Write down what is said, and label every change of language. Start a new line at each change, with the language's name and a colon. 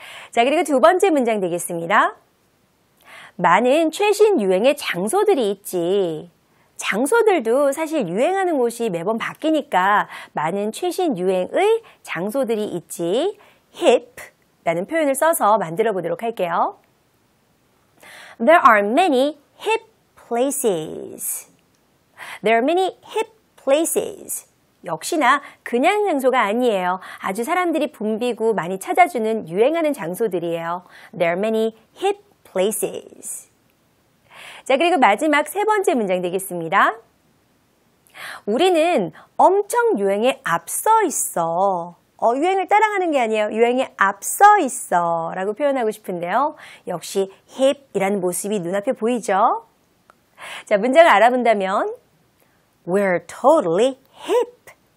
Korean: 자, 그리고 두 번째 문장 되겠습니다. 많은 최신 유행의 장소들이 있지. 장소들도 사실 유행하는 곳이 매번 바뀌니까 많은 최신 유행의 장소들이 있지. hip라는 표현을 써서 만들어 보도록 할게요.
English: There are many hip places. There are many hip places.
Korean: 역시나 그냥 장소가 아니에요. 아주 사람들이 붐비고 많이 찾아주는 유행하는 장소들이에요.
English: There are many hip places.
Korean: 자, 그리고 마지막 세 번째 문장 되겠습니다. 우리는 엄청 유행에 앞서 있어. 유행을 따라가는 게 아니에요. 유행에 앞서 있어 라고 표현하고 싶은데요. 역시 hip이라는 모습이 눈앞에 보이죠? 자, 문장을 알아본다면
English: We're totally hip.